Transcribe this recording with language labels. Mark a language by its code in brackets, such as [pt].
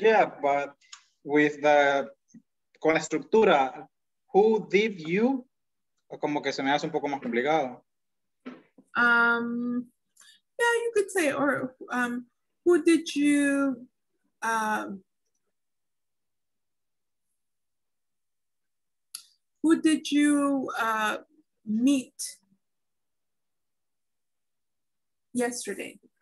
[en] Yeah, but with the [es] con la estructura, [en] who did you? [es] Como que se me hace un poco más complicado. [en] Yeah, you could say or who did you meet yesterday?